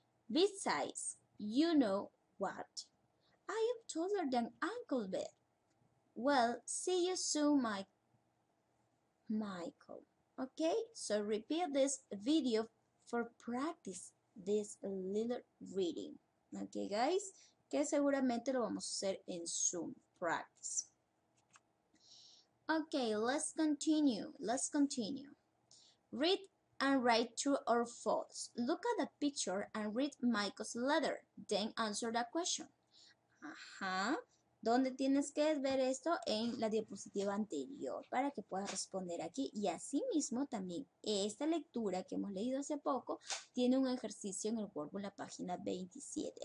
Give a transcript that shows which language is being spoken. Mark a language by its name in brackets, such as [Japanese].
[English] Besides, you know what? I am taller than Uncle Ben. Well, see you soon, Michael. Okay, so repeat this video for practice this little reading. Okay, guys, [Spanish] que seguramente lo vamos a hacer en [English] Zoom practice. Okay, let's continue. Read and write true or false. Look at the picture and read Michael's letter. Then answer the question. [Spanish] Ajá. ¿Dónde tienes que ver esto? En la diapositiva anterior para que puedas responder aquí. Y asimismo también esta lectura que hemos leído hace poco tiene un ejercicio en el workbook, la página 27.